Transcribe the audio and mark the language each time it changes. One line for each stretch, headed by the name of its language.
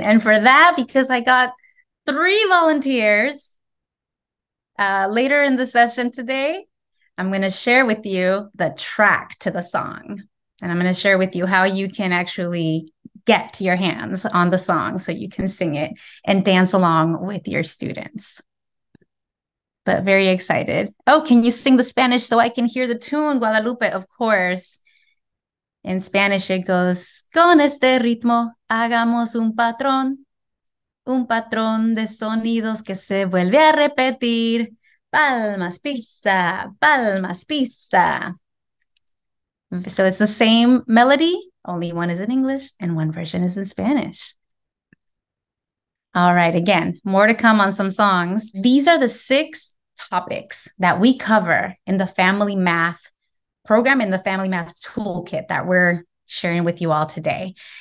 English: And for that, because I got three volunteers later in the session today, I'm going to share with you the track to the song. And I'm going to share with you how you can actually get your hands on the song so you can sing it and dance along with your students. But very excited. Oh, can you sing the Spanish so I can hear the tune, Guadalupe? Of course. In Spanish, it goes,
Spanish: con este ritmo, hagamos un patrón de sonidos que se vuelve a repetir. Palmas, pizza, palmas, pizza.
English: So it's the same melody, only one is in English and one version is in Spanish. All right, again, more to come on some songs. These are the six topics that we cover in the Family Math program, in the Family Math Toolkit that we're sharing with you all today.